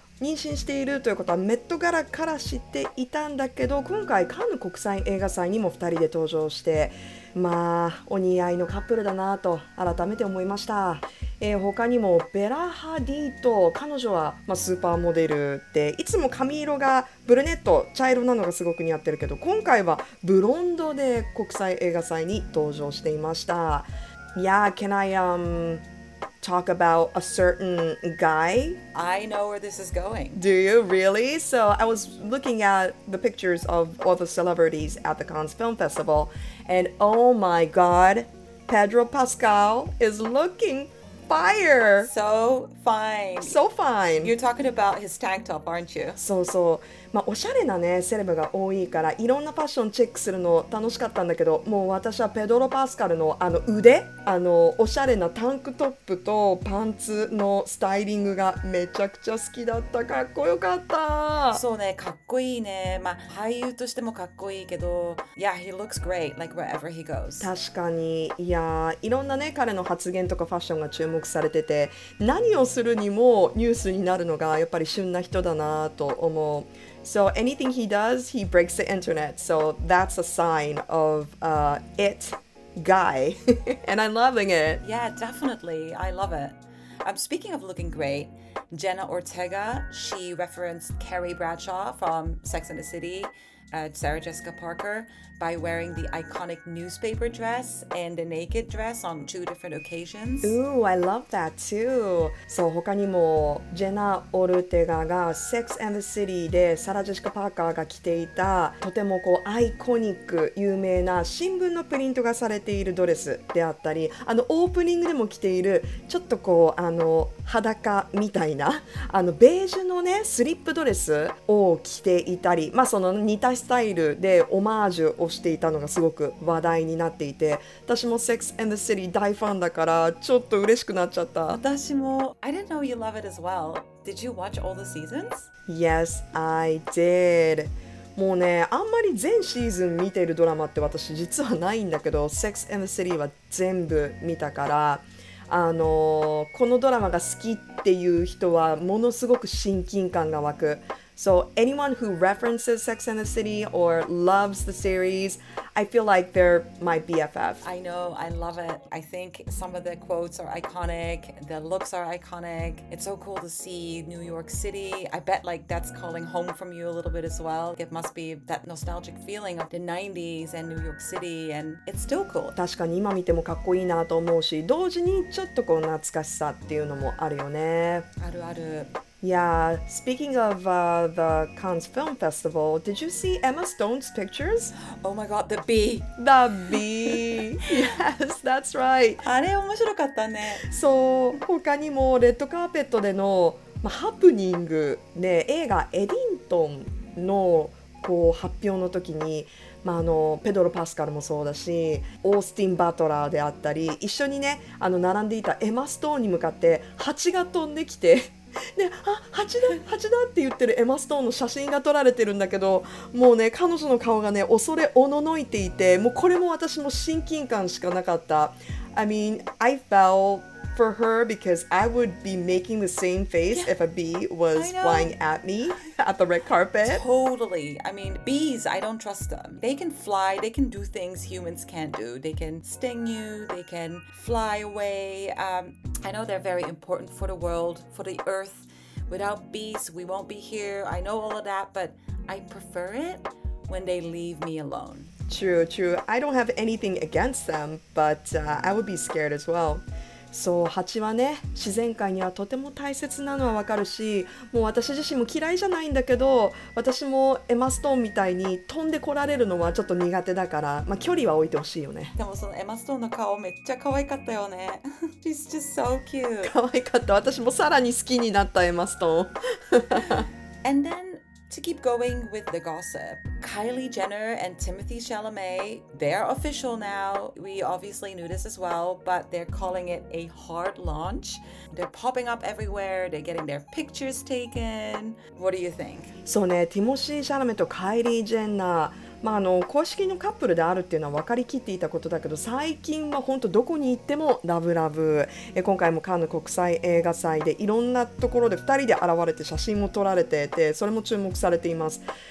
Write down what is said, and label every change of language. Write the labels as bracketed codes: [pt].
[ja] 妊娠しているということはメットガラから知っていたんだけど、今回カンヌ国際映画祭にも2人で登場して、まあお似合いのカップルだなと改めて思いました。他にもベラ・ハディと、彼女は、まあ、スーパーモデルでいつも髪色がブルネット茶色なのがすごく似合ってるけど、今回はブロンドで国際映画祭に登場していました。 [en] Yeah, can I talk about a certain guy? I know where this is going. Do you really? So I was looking at the pictures of all the celebrities at the Cannes Film Festival, and oh my god, Pedro Pascal is lookingFire! So fine! So fine! You're talking about his tank top, aren't you? [ja] そうそう。まあ、おしゃれなね、セレブが多いから、いろんなファッションチェックするの楽しかったんだけど、もう私はペドロ・パスカルのあの腕、あのおしゃれなタンクトップとパンツのスタイリングがめちゃくちゃ好きだった。かっこよかった。そうね、かっこいいね。まあ、俳優としてもかっこいいけど、 [en] Yeah, he looks great, like wherever he goes. [ja] 確かに。いや、いろんなね、彼の発言とかファッションが注目されてて、何をするにもニュースになるのがやっぱり旬な人だなと思う。 [en] So anything he does, he breaks the internet. So that's a sign of it guy. And I'm loving it. Yeah, definitely. I love it. Speaking of looking great, Jenna Ortega, she referenced Carrie Bradshaw from Sex and the City, Sarah Jessica Parker, by wearing the iconic newspaper dress and the naked dress on two different occasions. Ooh, I love that too. [ja] So, 他にもジェナ・オルテガが Sex and the City でサラ・ジェシカ・パーカーが着ていたとてもこうアイコニック有名な新聞のプリントがされているドレスであったり、あのオープニングでも着ているちょっとこうあの裸みたいなあのベージュのねスリップドレスを着ていたり、まあその似たスタイルでオマージュをしていたのがすごく話題になっていて、私も Sex and the City 大ファンだからちょっと嬉しくなっちゃった。私も。 [en] I didn't know you love it as well. Did you watch all the seasons? Yes, I did. もうね、あんまり全シーズン見てるドラマって私実はないんだけど、 Sex and the City は全部見たから、このドラマが好きっていう人はものすごく親近感が湧く。 So anyone who references Sex and the City or loves the series, I feel like they're my BFF. I know, I love it. I think some of the quotes are iconic, the looks are iconic. It's so cool to see New York City. I bet like that's calling home from you a little bit as well. It must be that nostalgic feeling of the 90s and New York City, and it's still cool. [ja] 確かに今見てもかっこいいなと思うし、同時にちょっとこう懐かしさっていうのもあるよね。あるある。 [en] Yeah, speaking of the Cannes Film Festival, did you see Emma Stone's pictures? Oh my god, the bee! The bee! Yes, that's right! [ja] あれ面白かったね。そう、他にもレッドカーペットでの、ま、ハプニングで、映画エディントンのこう発表の時に、まあ、あのペドロ・パスカルもそうだし、オースティン・バトラーであったり、一緒にね、あの並んでいたエマ・ストーンに向かって蜂が飛んできて、で、あ、蜂だ蜂だって言ってるエマストーンの写真が撮られてるんだけど、もうね、彼女の顔がね、恐れおののいていて、もうこれも私も親近感しかなかった。 [en] I mean, I fell for her because I would be making the same face if a bee was flying at me at the red carpet. Totally. I mean, bees, I don't trust them. They can fly, they can do things humans can't do. They can sting you, they can fly away. I know they're very important for the world, for the earth. Without bees, we won't be here. I know all of that, but I prefer it when they leave me alone. True, true. I don't have anything against them, but I would be scared as well. [ja] そう、蜂はね、自然界にはとても大切なのはわかるし、もう私自身も嫌いじゃないんだけど、私もエマストーンみたいに飛んでこられるのはちょっと苦手だから、まあ、距離は置いてほしいよね。でもそのエマストーンの顔めっちゃ可愛かったよね。 [en] She's just so cute. [ja] 可愛かった。私もさらに好きになったエマストーン。 [en] And then to keep going with the gossip, Kylie Jenner and Timothée Chalamet, they're official now. We obviously knew this as well, but they're calling it a hard launch. They're popping up everywhere. They're getting their pictures taken. What do you think? [ja] そうね、ティモシー・シャラメとカイリー・ジェンナー、まあ、あの公式のカップルであるっていうのは分かりきっていたことだけど、最近は本当どこに行ってもラブラブ。今回もカンヌ国際映画祭でいろんなところで2人で現れて写真も撮られていて、それも注目されています。